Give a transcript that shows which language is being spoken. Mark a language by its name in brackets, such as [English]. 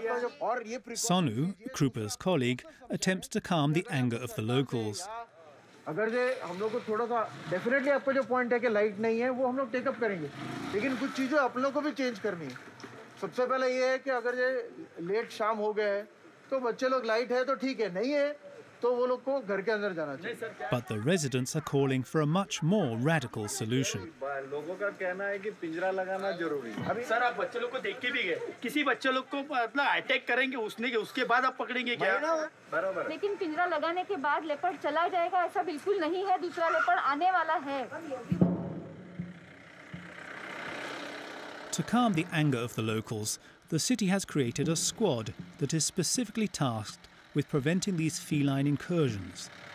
[English] Sonu, Krupa's colleague, attempts to calm the anger of the locals. [Hindi] अगर जो हम लोग को थोड़ा सा डेफिनेटली आपका जो पॉइंट है कि लाइट नहीं है वो हम लोग टेकअप करेंगे लेकिन कुछ चीज़ें आप लोगों को भी चेंज करनी है सबसे पहले ये है कि अगर ये लेट शाम हो गया है तो बच्चे लोग लाइट है तो ठीक है नहीं है तो वो लोग को घर के अंदर जाना चाहिए [English] But the residents are calling for a much more radical solution. [Hindi] लोगों का कहना है कि पिंजरा लगाना जरूरी है सर आप बच्चे लोग को देख के भी गए किसी बच्चे लोग को मतलब अटैक करेंगे उसने के उसके बाद आप पकड़ेंगे क्या बराबर लेकिन पिंजरा लगाने के बाद लेपर्ड चला जाएगा ऐसा बिल्कुल नहीं है दूसरा लेपर्ड आने वाला है [English] To calm the anger of the locals, the city has created a squad that is specifically tasked with preventing these feline incursions.